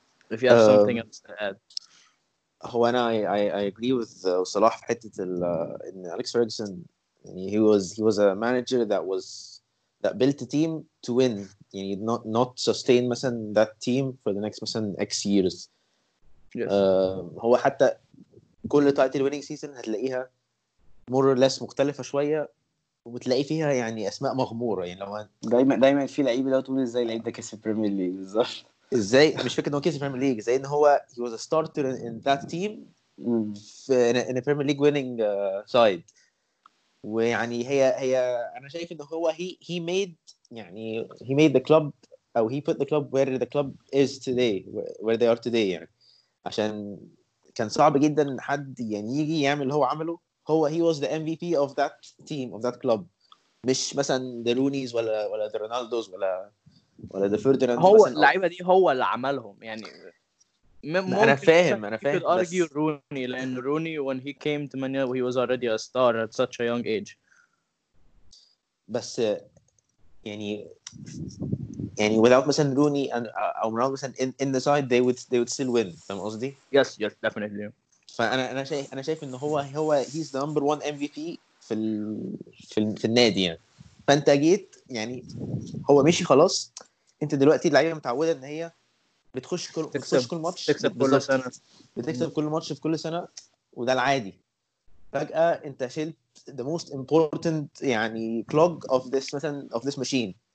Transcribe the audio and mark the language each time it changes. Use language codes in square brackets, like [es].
[en] If you have something else to add. When I agree with Salah حتت in Alex Ferguson, he was a manager that built a team to win. You need not sustain مثلا that team for the next مثلا X years. Yes. [ar] هو حتى كل [en] title winning season [ar] هتلاقيها [en] more or less [ar] مختلفة شوية وبتلاقي فيها يعني أسماء مغمورة يعني لو دايما في لعيبة لو تقول إزاي لعيب ده كسب بريمير ليج بالظبط. ازاي مش فاكر ان هو كسب بريمير ليج زي ان هو [en] he was a starter in that team in a Premier League winning side [ar] ويعني هي انا شايف ان هو he made يعني he made the club او he put the club where the club is today where they are today يعني عشان كان صعب جدا حد يعني يجي يعمل اللي هو عمله هو [en] he was the MVP of that team of that club [ar] مش مثلا the Rooney's ولا the Ronaldo's ولا ده فيرديناند هو اللعيبه دي هو اللي عملهم يعني انا فاهم انا فاهم بس ارجو روني لان روني [en] when he came to Manila he was already a star at such a young age بس يعني without مثلا Rooney and Ronaldo مثلا in the side they would still win [ar] فاهم قصدي [en] yes definitely [ar] فانا شايف ان هو [en] he's the number one MVP [ar] في النادي يعني فانت جيت يعني هو مشي خلاص انت دلوقتي اللعيبه متعوده ان هي بتخش كل ماتش في كل سنه وده العادي فجاه انت شلت the most important يعني clog of this مثلا of this machine